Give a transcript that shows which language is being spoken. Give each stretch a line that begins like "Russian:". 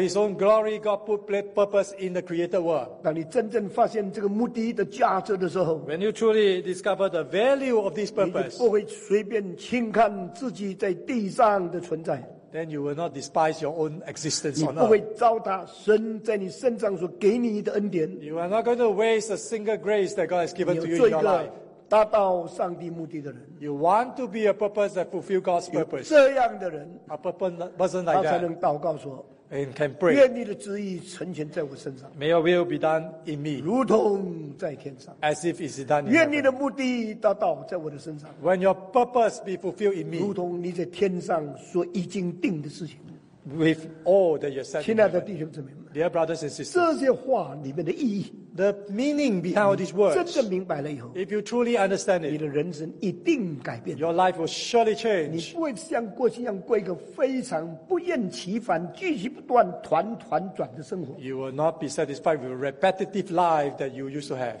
English: his own glory, God put purpose in the created world.
Chinese: 当你真正发现这个目的的价值的时候，
English: When you truly discover the value of this purpose,
Chinese: 你就不会随便轻看自己在地上的存在。
English: Then you will not despise your own existence on earth.
Chinese: 你不会糟蹋神在你身上所给你的恩典。
English: You are not going to waste a single grace that God has given to you in your life.
Chinese: 达到上帝目的的人，
English: You want to be a purpose that fulfills God's purpose.
Chinese: 有这样的人，
English: A person like that,
Chinese: 他才能祷告说，
English: And can pray.
Chinese: 愿你的旨意成全在我身上。
English: May your will be done in me.
Chinese: 如同在天上。
English: As if it's done in heaven.
Chinese: 愿你的目的达到在我的身上。
English: When your purpose be fulfilled in me.
Chinese: 如同你在天上所已经定的事情。
English: With all that you said.
Chinese: 亲爱的弟兄姊妹们，
English: Dear brothers and sisters.
Chinese: 这些话里面的意义，
English: The meaning behind all these words.
Chinese: 真的明白了以后，
English: If you truly understand it.
Chinese: 你的人生一定改变。
English: Your life will surely change.
Chinese: 你不会像过去一样过一个非常不厌其烦、继续不断、团团转的生活。
English: You will not be satisfied with a repetitive life that you used to have.